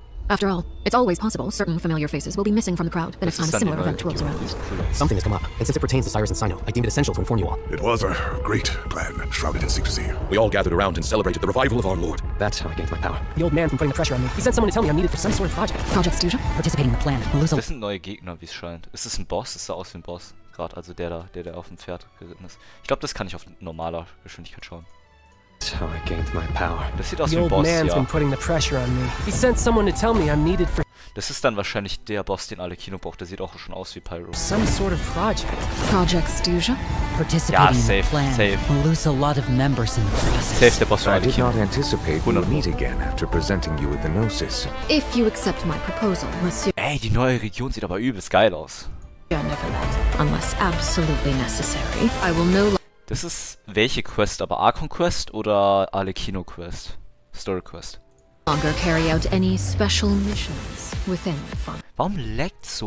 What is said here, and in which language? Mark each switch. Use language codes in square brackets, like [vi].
[en] After all, it's always possible certain familiar faces will be missing from the crowd the next time a similar event rolls around. Something has come up, and since it pertains to Cyrus and Sino, I deem it essential to inform you all. It was a great plan, shrouded in secrecy. We all gathered around and celebrated the revival of our lord. That's how I gained my power. The old man from putting the pressure on me, he sent someone to tell me I'm needed for some sort of project. Project Stuja? Participating in the plan. [de] Das sind neue Gegner, wie es scheint. Ist das ein Boss? Das sah aus wie ein Boss. Gerade, also der da auf dem Pferd geritten ist. Ich glaube, das kann ich auf normaler Geschwindigkeit schauen. [en] how I gained my power. [de] Das sieht aus wie ein Boss, ja. [en] The old man's been putting the pressure on me. He sent someone to tell me I'm needed for. [de] Das ist dann wahrscheinlich der Boss, den alle Kino braucht. Der sieht auch schon aus wie Pyro. [en] Some sort of project. Project Stuja? Participating ja, safe, in the plan. Safe. [de] Safe, der Boss von alle Kino. [en] I did not anticipate we would meet again after presenting you with the Gnosis. If you accept my proposal, monsieur. [de] Ey, die neue Region sieht aber übelst geil aus. [en] Unless absolutely necessary, I will no. [de] Das ist welche Quest, aber Archon Quest oder Alekino Quest? [en] Story Quest. Carry out any special missions within fun. [de] Warum laggt so?